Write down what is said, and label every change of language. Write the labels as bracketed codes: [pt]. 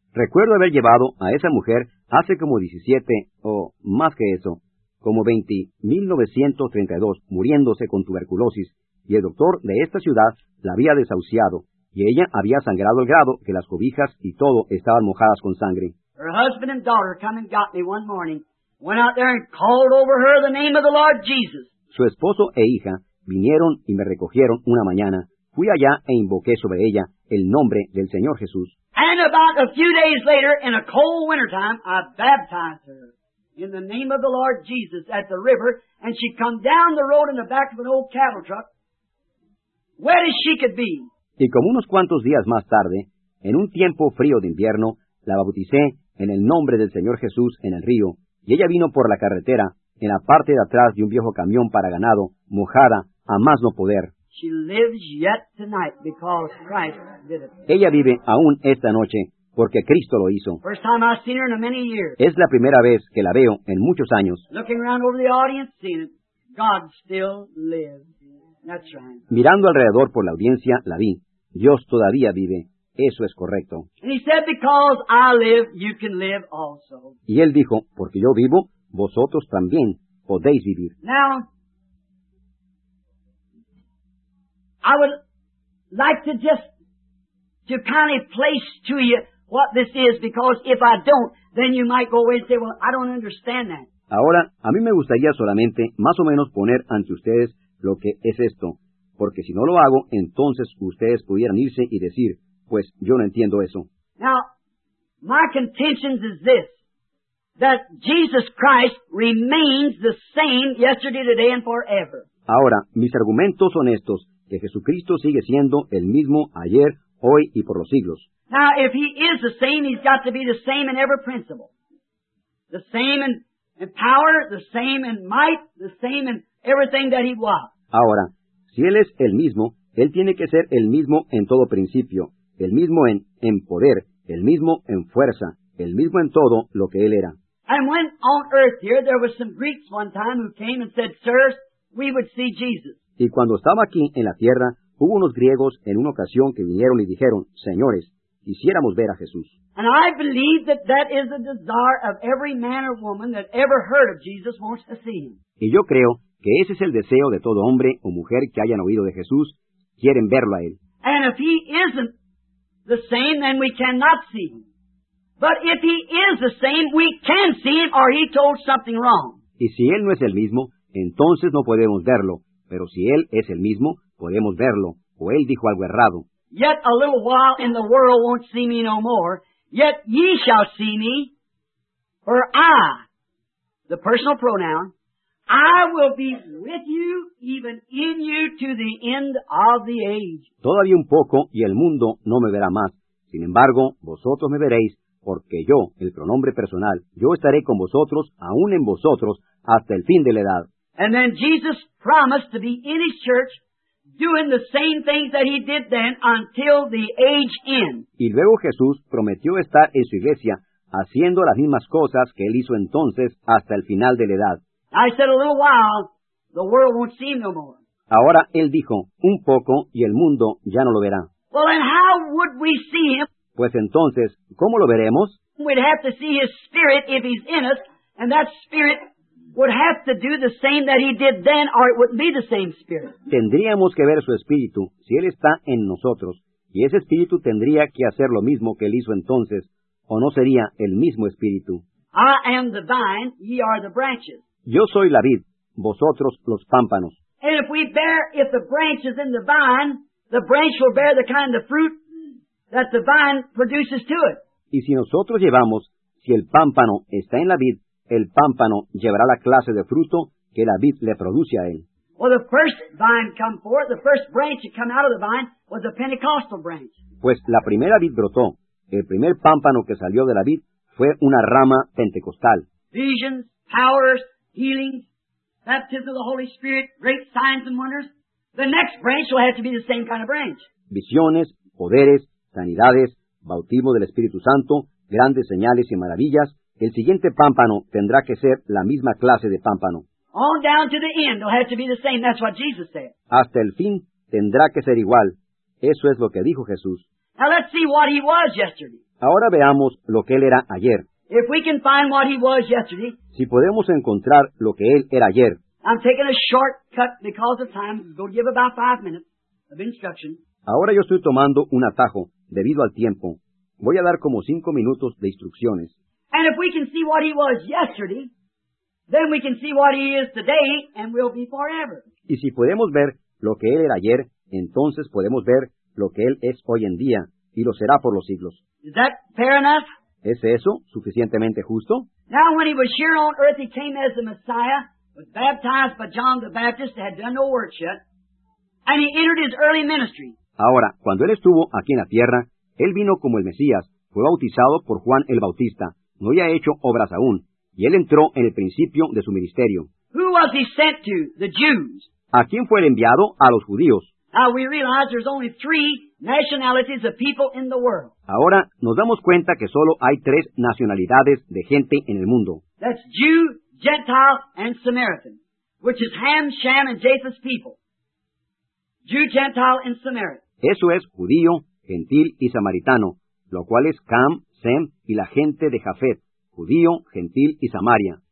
[es] Recuerdo haber llevado a esa mujer hace como 17, o más que eso, como 1932, muriéndose con tuberculosis, y el doctor de esta ciudad la había desahuciado, y ella había sangrado al grado que las cobijas y todo estaban mojadas con sangre. [en] Her husband and daughter come and got me one morning, went out there and called over her the name of the Lord Jesus. [es] Su esposo e hija vinieron y me recogieron una mañana. Fui allá e invoqué sobre ella el nombre del Señor Jesús. [en] And about a few days later, in a cold winter time, I baptized her in the name of the Lord Jesus at the river, and she come down the road in the back of an old cattle truck, wet as she could be. [es] Y como unos cuantos días más tarde, en un tiempo frío de invierno, la bauticé en el nombre del Señor Jesús en el río, y ella vino por la carretera, en la parte de atrás de un viejo camión para ganado, mojada, a más no poder. [en] She lives yet tonight because Christ did it. [es] Ella vive aún esta noche, porque Cristo lo hizo. [en] First time I've seen her in many years. [es] Es la primera vez que la veo en muchos años. [en] Looking around over the audience, seeing it, God still lives. That's right. [es] Mirando alrededor por la audiencia, la vi. Dios todavía vive. Eso es correcto. [en] And he said, because I live, you can live also. [es] Y él dijo, porque yo vivo, vosotros también podéis vivir. [en] Now, I would like to just to kind of place to you what this is, because if I don't, then you might go away and say, well, I don't understand that. [es] Ahora, a mí me gustaría solamente más o menos poner ante ustedes lo que es esto, porque si no lo hago, entonces ustedes pudieran irse y decir, pues yo no entiendo eso. [en] Now, my contention is this, that Jesus Christ remains the same yesterday, today, and forever. [es] Ahora, mis argumentos son estos, que Jesucristo sigue siendo el mismo ayer, hoy y por los siglos. [en] Now, if he is the same, he's got to be the same in every principle. The same in power, the same in might, the same in everything that he was. [es] Ahora, si él es el mismo, él tiene que ser el mismo en todo principio, el mismo en poder, el mismo en fuerza, el mismo en todo lo que él era. [en] And when on earth here, there were some Greeks one time who came and said, sirs, we would see Jesus. [es] Y cuando estaba aquí en la tierra, hubo unos griegos en una ocasión que vinieron y dijeron, señores, quisiéramos ver a Jesús. [en] And I believe that that is the desire of every man or woman that ever heard of Jesus wants to see him. [es] Y yo creo que ese es el deseo de todo hombre o mujer que hayan oído de Jesús, quieren verlo a él. [en] And if he isn't the same, then we cannot see him. But if he is the same, we can see him, or he told something wrong. [es] Y si él no es el mismo, entonces no podemos verlo. Pero si él es el mismo, podemos verlo, o él dijo algo errado. [en] Yet a little while in the world won't see me no more, yet ye shall see me, for I, the personal pronoun, I will be with you, even in you, to the end of the age. [es] Todavía un poco, y el mundo no me verá más. Sin embargo, vosotros me veréis, porque yo, el pronombre personal, yo estaré con vosotros, aún en vosotros, hasta el fin de la edad. [en] And then Jesus promised to be in his church, doing the same things that he did then, until the age end. [es] Y luego Jesús prometió estar en su iglesia, haciendo las mismas cosas que él hizo entonces, hasta el final de la edad. [en] I said, a little while, the world won't see him no more. [es] Ahora, él dijo, un poco, y el mundo ya no lo verá. [en] Well, then how would we see him? [es] Pues entonces, ¿cómo lo veremos? [en] We'd have to see his spirit if he's in us, and that spirit would have to do the same that he did then, or it wouldn't be the same spirit. [es] Tendríamos que ver su espíritu, si él está en nosotros, y ese espíritu tendría que hacer lo mismo que él hizo entonces, o no sería el mismo espíritu. [en] I am the vine, ye are the branches. [es] Yo soy la vid, vosotros los pámpanos. [en] And if we bear, if the branch is in the vine, the branch will bear the kind of fruit that the vine produces to it. [es] Y si nosotros llevamos, si el pámpano está en la vid, el pámpano llevará la clase de fruto que la vid le produce a él. [en] Well, the first vine come forth, the first branch that come out of the vine was the Pentecostal branch. [es] Pues la primera vid brotó, el primer pámpano que salió de la vid fue una rama pentecostal. [en] Visions, powers, healing, baptism of the Holy Spirit, great signs and wonders. The next branch will have to be the same kind of branch. [es] Visiones, poderes, sanidades, bautismo del Espíritu Santo, grandes señales y maravillas, el siguiente pámpano tendrá que ser la misma clase de pámpano. [en] On down to the end, it'll have to be the same. That's what Jesus said. [es] Hasta el fin tendrá que ser igual. Eso es lo que dijo Jesús. [en] Now let's see what he was yesterday. [es] Ahora veamos lo que él era ayer. [en] If we can find what he was yesterday, [es] si podemos encontrar lo que él era ayer, [en] I'm taking a shortcut because of time. I'm going to give about 5 minutes of instruction. [es] Ahora yo estoy tomando un atajo debido al tiempo. Voy a dar como 5 minutos de instrucciones. [en] And if we can see what he was yesterday, then we can see what he is today and will be forever. [es] Y si podemos ver lo que él era ayer, entonces podemos ver lo que él es hoy en día y lo será por los siglos. [en] Is that fair enough? [es] ¿Es eso suficientemente justo? [en] Now when he was here on earth, he came as the Messiah, was baptized by John the Baptist, had done no works yet, and he entered his early ministry. [es] Ahora, cuando él estuvo aquí en la tierra, él vino como el Mesías, fue bautizado por Juan el Bautista, no había hecho obras aún, y él entró en el principio de su ministerio. [en] Who was he sent to? The Jews. [es] ¿A quién fue él enviado? A los judíos. [en] Now we realize there's only 3 nationalities of people in the world. [es] Ahora nos damos cuenta que solo hay 3 nacionalidades de gente en el mundo. [en] That's Jew, Gentile, and Samaritan, which is Ham, Shem, and Japheth's people. Jew, Gentile, and Samaritan. [es] Eso es judío, gentil y samaritano, lo cual es Cam, Sem y la gente de Jafet, judío, gentil y Samaria.